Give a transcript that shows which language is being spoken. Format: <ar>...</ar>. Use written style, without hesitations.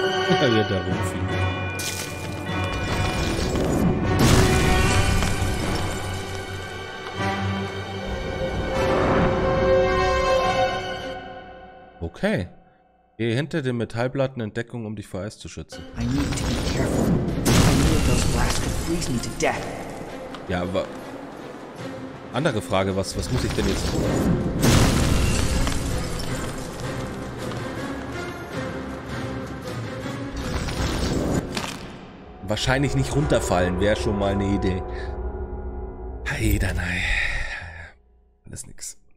<de>Ja, wir da rumfliegen. Okay. Geh hinter den Metallplatten in Deckung, um dich vor Eis zu schützen.</de> <en>I need to be careful. I knew those blasts could freeze me to death.</en> <de>Ja, aber. Andere Frage, was muss ich denn jetzt tun? Wahrscheinlich nicht runterfallen, wäre schon mal eine Idee. Heider, nein. Alles nix.</de>